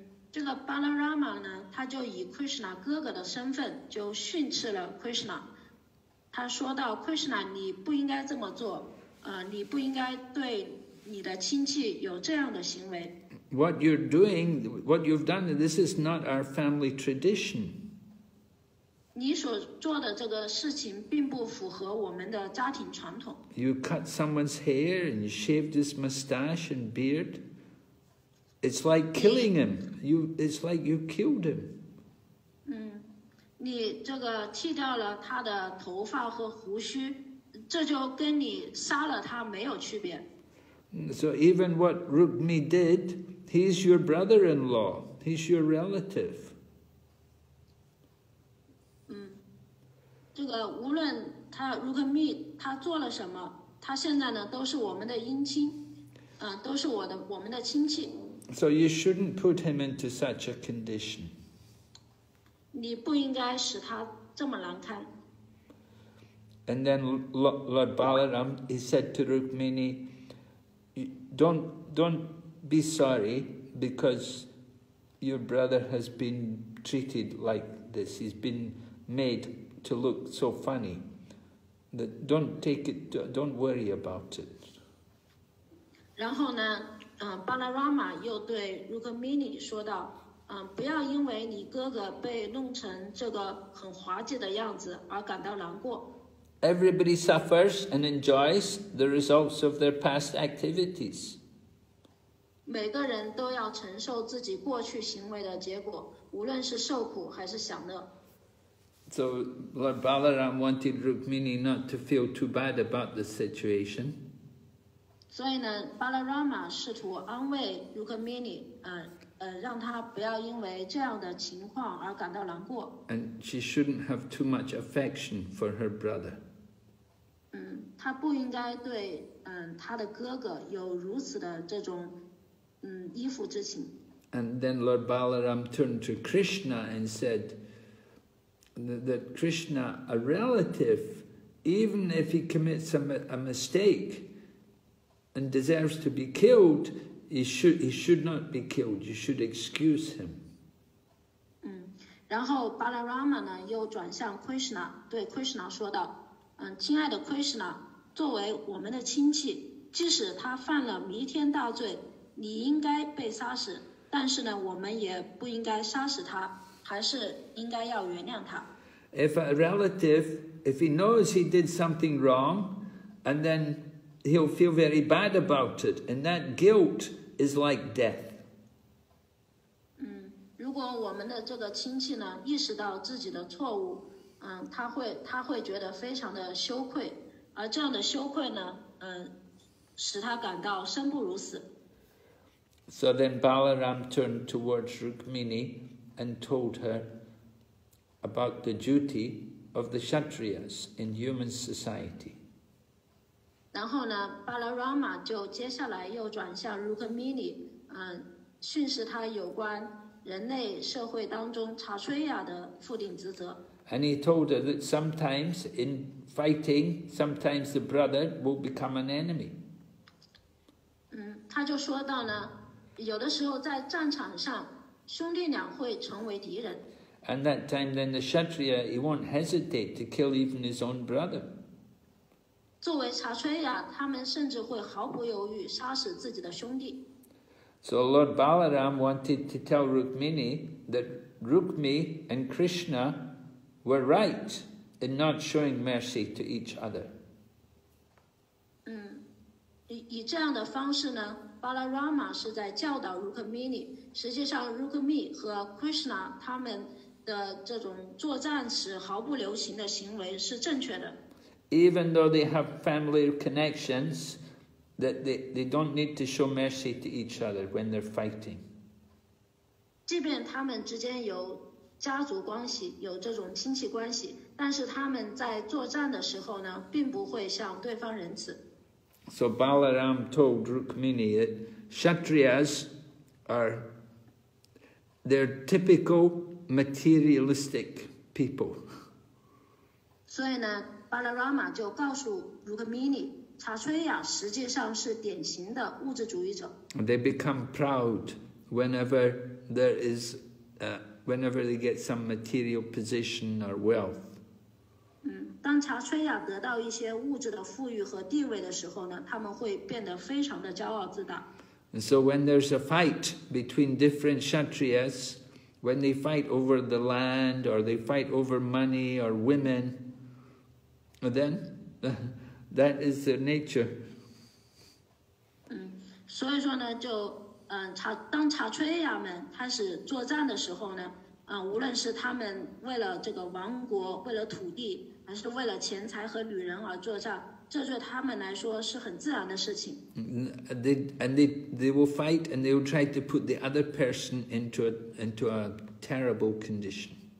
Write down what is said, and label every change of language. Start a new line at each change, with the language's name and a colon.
Chinese: 这个 Balarama 呢，他就以 Krishna 哥哥的身份就训斥了 Krishna。他说到 Krishna, 你不应该这么做，你不应该对你的亲戚有这样的行为。
English: What you're doing, what you've done, this is not our family tradition.
Chinese: 你所做的这个事情并不符合我们的家庭传统。
English: You cut someone's hair and you shaved his mustache and beard. It's like killing him. It's like you killed him.
Chinese: 你这个剃掉了他的头发和胡须，这就跟你杀了他没有区别。
English: So even what Rukmini did, he's your brother-in-law. He's your relative.
Chinese: 这个无论他 Rukmini 他做了什么，他现在呢都是我们的姻亲，都是我们的亲戚。
English: So you shouldn't put him into such a condition.
Chinese: 你不应该使他这么难堪。
English: And then Lord Balaram he said to Rukmini, don't be sorry because your brother has been treated like this. He's been made. To look so funny, that don't take it. Don't worry about it.
Chinese: 然后呢，Balarama 又对 Rukmini 说道，不要因为你哥哥被弄成这个很滑稽的样子而感到难过。
English: Everybody suffers and enjoys the results of their past activities.
Chinese: 每个人都要承受自己过去行为的结果，无论是受苦还是享乐。
English: So Lord Balaram wanted Rukmini not to feel too bad about the situation.
Chinese: 所以呢 ，Balarama 试图安慰 Rukmini， 让他不要因为这样的情况而感到难过。
English: And she shouldn't have too much affection for her brother.
Chinese: 她不应该对她的哥哥有如此的这种依附之情。
English: And then Lord Balaram turned to Krishna and said. That Krishna, a relative, even if he commits a mistake and deserves to be killed, he should not be killed. You should excuse him.
Chinese: 然后 Balarama 呢又转向 Krishna， 对 Krishna 说道，亲爱的 Krishna， 作为我们的亲戚，即使他犯了弥天大罪，你应该被杀死，但是呢，我们也不应该杀死他。还是应该要原谅他。
English: If a relative, if he knows he did something wrong, and then he'll feel very bad about it, and that guilt is like death.
Chinese: 如果我们的这个亲戚呢意识到自己的错误，他会觉得非常的羞愧，而这样的羞愧呢，使他感到生不如死。
English: So then Balaram turned towards Rukmini. And told her about the duty of the Kshatriyas in human society.
Chinese: 然后呢 ，Balarama 就接下来又转向 Rukmini， 训示他有关人类社会当中查崔亚的负定职责。
English: And he told her that sometimes in fighting, sometimes the brother will become an enemy.
Chinese: 他就说到呢，有的时候在战场上。兄弟俩会成为敌人。
English: And that time, then the Kshatriya, he won't hesitate to kill even his own brother.
Chinese: 作为查崔亚，他们甚至会毫不犹豫杀死自己的兄弟。
English: So Lord Balaram wanted to tell Rukmini that Rukmi and Krishna were right in not showing mercy to each other.
Chinese: 以这样的方式呢 ，Balarama 是在教导 Rukmini。实际上 ，Rukmi 和 Krishna 他们的这种作战时毫不留情的行为是正确的。
English: Even though they have family connections, that they don't need to show mercy to each other when they're fighting.
Chinese: 即便他们之间有家族关系，有这种亲戚关系，但是他们在作战的时候呢，并不会向对方仁慈。
English: So Balaram told Rukmini that Kshatriyas are. They're typical materialistic people.
Chinese: 所以呢 ，Balarama 就告诉 Rukmini， 查崔亚实际上是典型的物质主义者。
English: They become proud whenever they get some material position or wealth.
Chinese: 当查崔亚得到一些物质的富裕和地位的时候呢，他们会变得非常的骄傲自大。
English: And so when there's a fight between different Kshatriyas, when they fight over the land, or they fight over money, or women, then that is their nature.
Chinese: 所以说呢，就当查崔亚们开始作战的时候呢，无论是他们为了这个王国，为了土地，还是为了钱财和女人而作战。这对他们来说是很自然的事情。
English: They will fight and they will try to put the other person into a terrible condition.